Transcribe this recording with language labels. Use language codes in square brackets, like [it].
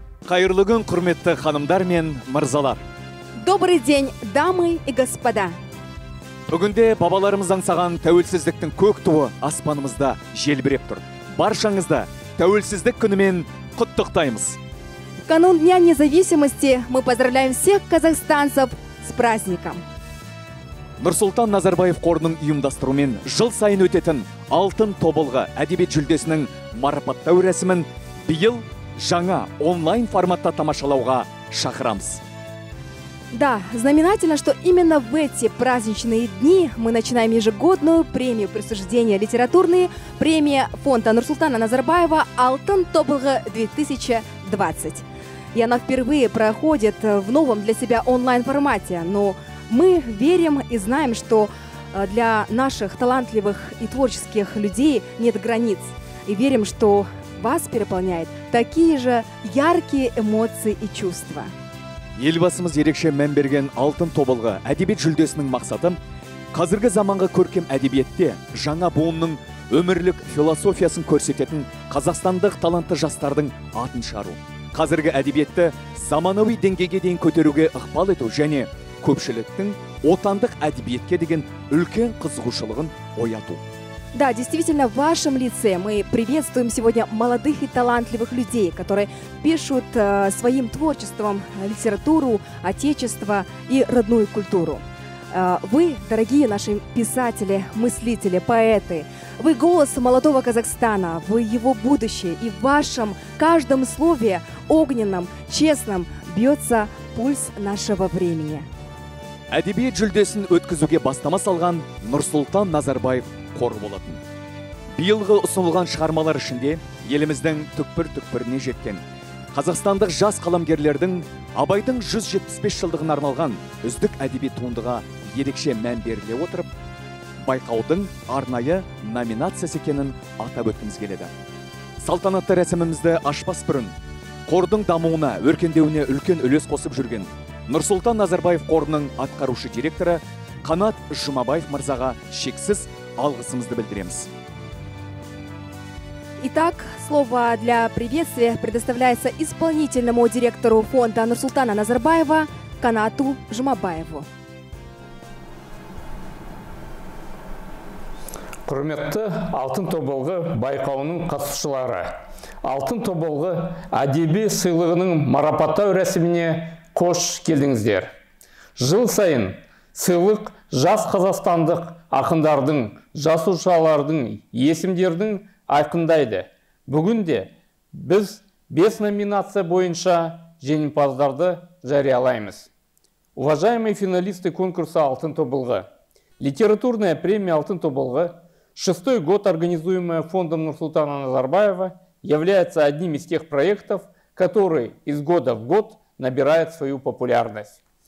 [kk] Қайырлы күн, құрметті ханымдар мен мырзалар. [ru] Добрый день, дамы и господа. [kk] Бүгінде бабаларымыз аңсаған тәуелсіздіктің көк туы аспанымызда желбіреп тұр. Баршаңызды тәуелсіздік күнімен құттықтаймыз. [ru] Канун Дня независимости мы поздравляем всех казахстанцев с праздником. [kk] Нұрсұлтан Назарбаев қорының ұйымдастыруымен жыл сайын өтетін алтын тобылғы әдебиет жүлдесінің марапаттау рәсімін биыл жаңа онлайн форматта тамашалауға шақырамыз. [ru] Да, знаменательно, что именно в эти праздничные дни мы начинаем ежегодную премию присуждения литературной премии фонда Нурсултана Назарбаева «Алтын тобылғы 2020». И она впервые проходит в новом для себя онлайн-формате. Но мы верим и знаем, что для наших талантливых и творческих людей нет границ. И верим, что вас переполняет такие же яркие эмоции и чувства. [kk] Елбасымыз ерекше мән берген алтын тобылғы әдебиет жүлдесінің мақсаты қазіргі заманғы көркем әдебиетте жаңа буынның өмірлік философиясын көрсететін қазақстандық талантты жастардың атын шығару. Қазіргі әдебиетті заманауи деңгейге дейін көтеруге ықпал ету және көпшіліктің отандық әдебиетке деген үлкен қызығушылығын ояту. [ru] Да, действительно, в вашем лице мы приветствуем сегодня молодых и талантливых людей, которые пишут своим творчеством литературу, отечество и родную культуру. Вы, дорогие наши писатели, мыслители, поэты, вы голос молодого Казахстана, вы его будущее, и в вашем каждом слове, огненном, честном, бьется пульс нашего времени. [kk] Әдебиет жүлдесін өткізуге бастама салған Нұрсұлтан Назарбаев қоры болатын. Биылғы ұсынылған шығармалар ішінде еліміздің түкпір-түкпіріне жеткен қазақстандық жас қаламгерлердің Абайдың 175 жылдығына арналған үздік әдеби туындыға ерекше мән беріле отырып, байқаудың арнайы номинациясы екенін атап өткіміз келеді. Салтанатты рәсімімізді ашпас бұрын қордың дамуына, өркендеуіне үлкен үлес қосып жүрген Нұрсұлтан Назарбаев қорының атқарушы директоры Қанат Жұмабаев мырзаға шексіз алғысымызды білдіреміз. [ru] Итак, слово для приветствия предоставляется исполнительному директору фонда Нұрсұлтана Назарбаева Канату Жұмабаеву. [kk] Құрметті алтын тобылғы байқауының қатысушылары, алтын тобылғы әдеби сыйлығының марапаттау рәсіміне қош келдіңіздер. Жыл сайын сыйлық жас қазақстандық ақындардың, жазушылардың, есімдердің айқындайды. Бүгінде біз 5 номинация бойынша жеңімпаздарды жариялаймыз. [ru] Уважаемые финалисты конкурса «Алтын тобылғы», литературная премия «Алтын тобылғы», 6-й год организуемая фондом Нурсултана Назарбаева, является одним из тех проектов, который из года в год набирает свою популярность.